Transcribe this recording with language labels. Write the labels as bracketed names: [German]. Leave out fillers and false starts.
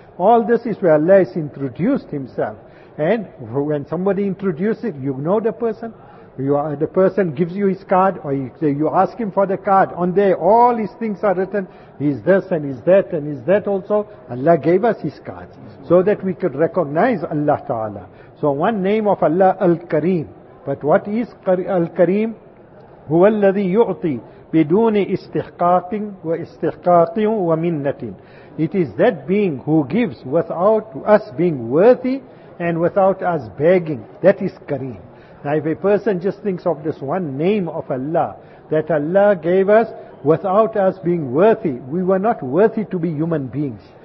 [English] All this is where Allah has introduced Himself. And when somebody introduces it, you know the person. The person gives you his card, or you ask him for the card. On there, all his things are written. He's this and he's that and he's that also. Allah gave us his cards. So that we could recognize Allah Ta'ala. So one name of Allah, Al-Kareem. But what is Al-Kareem? [Arabic] هو الذي يعطي بدون استحقاق واستحقاق ومنة. [English] It is that being who gives without us being worthy and without us begging. That is Kareem. Now if a person just thinks of this one name of Allah, that Allah gave us without us being worthy, we were not worthy to be human beings.